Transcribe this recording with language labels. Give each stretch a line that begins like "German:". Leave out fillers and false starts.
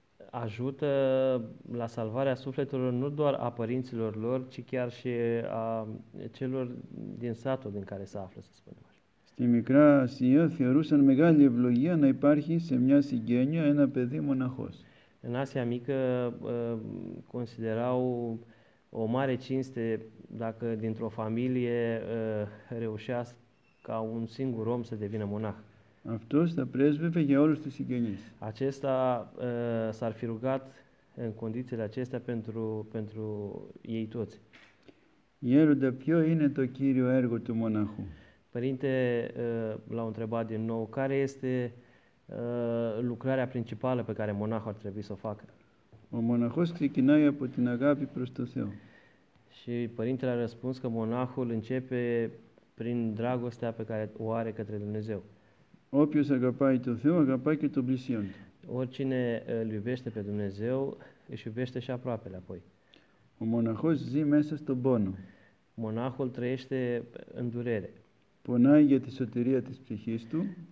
Romanian: Ajută la salvarea sufletelor nu doar a părinților lor, ci chiar și a celor din satul din care se află, să spunem așa.
Greek: Στη Μικρά Ασία θεωρούσαν μεγάλη ευλογία να υπάρχει σε μια συγγένεια ένα παιδί μοναχός.
Romanian: În Asia Mică considerau o mare cinste dacă dintr-o familie reușea ca un singur om să devină monah.
Greek: Αυτός θα πρέσβευε για όλους τους συγγενείς.
Romanian: Acesta s-ar fi rugat în condițiile acestea pentru ei toți.
Greek: Ierude, ποιο είναι το κύριο έργο του μοναχού?
Romanian: Părinte, l-au întrebat din nou, care este lucrarea principală pe care monahul ar trebui să o facă?
Greek: Ο μοναχός ξεκινάει από την αγάπη προς το Θεό.
Romanian: Și părintele a răspuns că monahul începe prin dragostea pe care o are către Dumnezeu.
Greek: Όποιος αγαπάει τον Θεό, αγαπάει και τον πλησίον του.
Romanian: Oricine îl iubește πε Dumnezeu, își iubește și aproapele apoi.
Greek: Ο μοναχός ζει μέσα στον πόνο.
Romanian: Monahul trăiește în durere.
Greek: Πονάει για τη σωτηρία της ψυχής του.